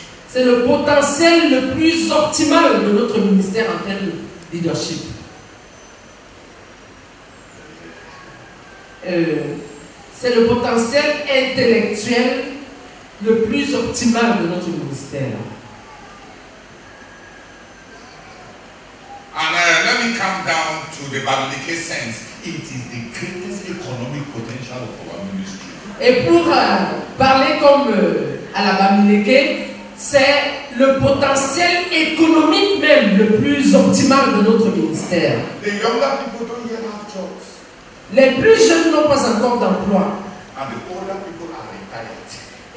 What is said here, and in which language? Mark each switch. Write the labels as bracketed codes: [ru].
[fr] C'est le potentiel le plus optimal de notre ministère en termes de leadership. C'est le potentiel intellectuel le plus optimal de notre ministère. [en] And let me come down to the biblical sense. It is the greatest economic potential of our ministry. [fr] Et pour parler comme à la Bamileke, c'est le potentiel économique même le plus optimal de notre ministère. [en] The younger people don't yet have jobs. [fr] Les plus jeunes n'ont pas encore d'emploi. [en] And the older people are retired.